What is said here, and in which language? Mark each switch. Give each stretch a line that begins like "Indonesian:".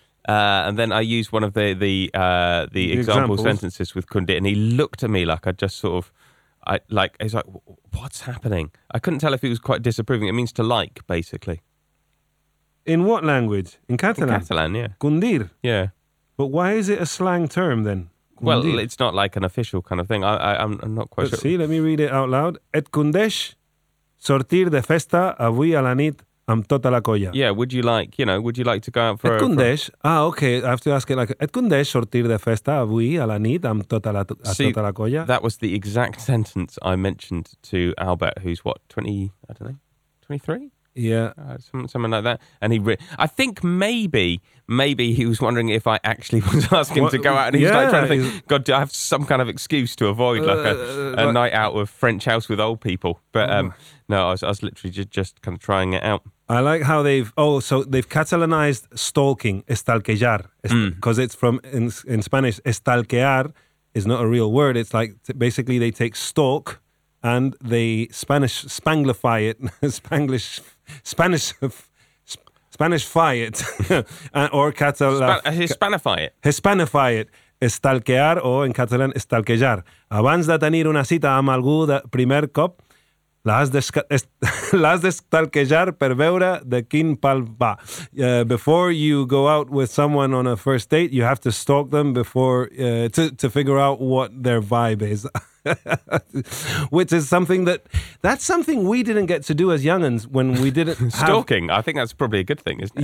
English: And then I used one of the example sentences with cundir, and he looked at me like I just sort of, he's like, what's happening? I couldn't tell if he was quite disapproving. It means to like, basically. In what language? In Catalan? In Catalan, yeah. Cundir? Yeah. But why is it a slang term then? Well, indeed. It's not like an official kind of thing. I'm not quite sure. See, let me read it out loud.
Catalan: Et condeix sortir de festa avui a la nit amb tota la colla.
English: Yeah, would you like to go out for
Catalan: et condeix?
English: Okay, I have to ask it like,
Catalan: et condeix sortir de festa avui a la nit amb tota la colla?
English: That was the exact sentence I mentioned to Albert, who's what, 20, I don't know, 23? Yeah. Something like that. And I think maybe he was wondering if I actually was asking to go out, and he's like trying to think, God, do I have some kind of excuse to avoid like a night out of French house with old people? But no, I was literally just kind of trying it out. I like how they've Catalanized stalking, estalquejar, because it's from, in Spanish, estalquear is not a real word. It's like, basically they take stalk and they Spanish-fy it, or Catalan... Hispanify it.
Spanish: Estalquear, o en Catalan, estalquejar.
Catalan: Abans de tenir una cita amb algú de primer cop, l'has d'estalquejar per veure de quin pal va.
English: Before you go out with someone on a first date, you have to stalk them to figure out what their vibe is. Which is something that's something we didn't get to do as young'uns when we didn't have... Stalking, I think that's probably a good thing, isn't it?